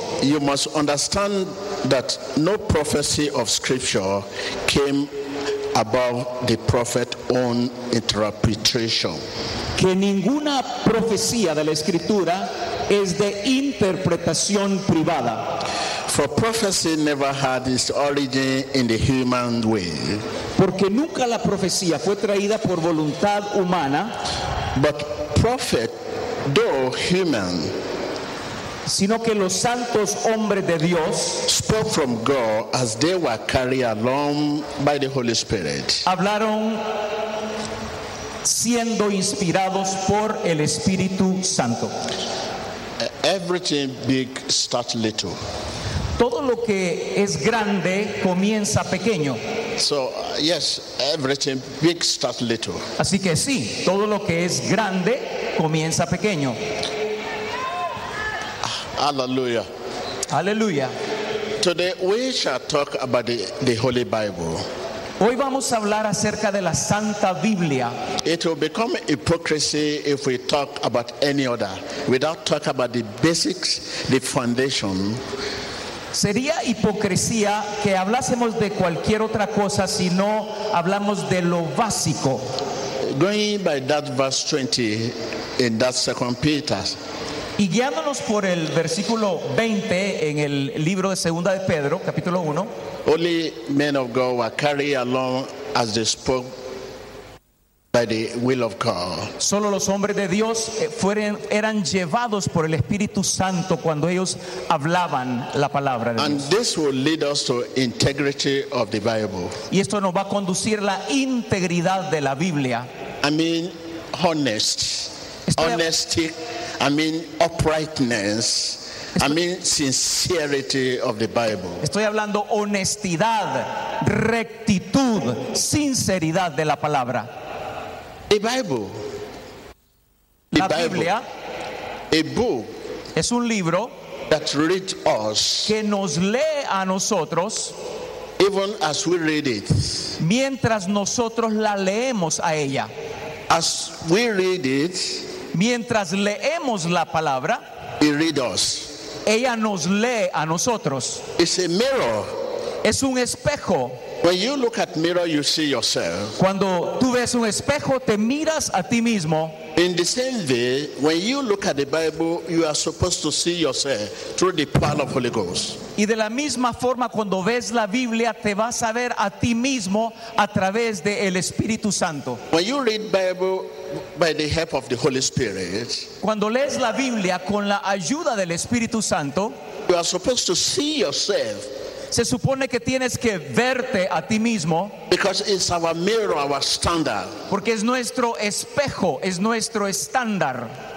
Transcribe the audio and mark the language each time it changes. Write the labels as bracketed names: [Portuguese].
[English] you must understand that no prophecy of scripture came above the prophet's own interpretation. [Spanish] Que ninguna profecía de la escritura es de interpretación privada. [English] For prophecy never had its origin in the human will. [Spanish] Porque nunca la profecía fue traída por voluntad humana. [English] But prophet, though human, [Spanish] sino que los santos hombres de Dios [English] spoke from God as they were carried along by the Holy Spirit. [Spanish] Hablaron siendo inspirados por el Espíritu Santo. [English] Everything big starts little. [Spanish] Todo lo que es grande comienza pequeño. [English] So yes, everything big starts little. [Spanish] Así que sí, todo lo que es grande comienza pequeño. Hallelujah. Hallelujah. [English] Today we shall talk about the Holy Bible. [Spanish] Hoy vamos a hablar acerca de la Santa Biblia. [English] It will become hypocrisy if we talk about any other without talking about the basics, the foundation. [Spanish] Sería hipocresía que hablásemos de cualquier otra cosa si no hablamos de lo básico. [English] Going by that verse 20 in that second Peter. [Spanish] Y guiándonos por el versículo 20 en el libro de Segunda de Pedro, capítulo 1. [English] Holy men of God were carried along as they spoke by the will of God. [Spanish] Solo los hombres de Dios eran llevados por el Espíritu Santo cuando ellos hablaban la palabra de Dios. [English] And this will lead us to integrity of the Bible. [Spanish] Y esto nos va a conducir la integridad de la Biblia. [English] I mean honest. Honesty. I mean uprightness. I mean sincerity of the Bible. [Spanish] Estoy hablando honestidad, rectitud, sinceridad de la palabra. [English] The Bible. [Spanish] The la Biblia. [English] Bible. A book. [Spanish] Es un libro. [English] That reads us. [Spanish] Que nos lee a nosotros. [English] Even as we read it. [Spanish] Mientras nosotros la leemos a ella. [English] As we read it. [Spanish] Mientras leemos la palabra. [English] It reads us. [Spanish] Ella nos lee a nosotros. [English] It's a mirror. [Spanish] Es un espejo. [English] When you look at mirror, you see yourself. [Spanish] Cuando tú ves un espejo, te miras a ti mismo. [English] In the same way, when you look at the Bible, you are supposed to see yourself through the power of the Holy Ghost. [Spanish] Y de la misma forma, cuando ves la Biblia, te vas a ver a ti mismo a través del Espíritu Santo. [English] When you read Bible by the help of the Holy Spirit, [Spanish] cuando lees la Biblia con la ayuda del Espíritu Santo, [English] you are supposed to see yourself. [Spanish] Se supone que tienes que verte a ti mismo. [English] Because it's our mirror, our standard. [Spanish] Porque es nuestro espejo, es nuestro estándar.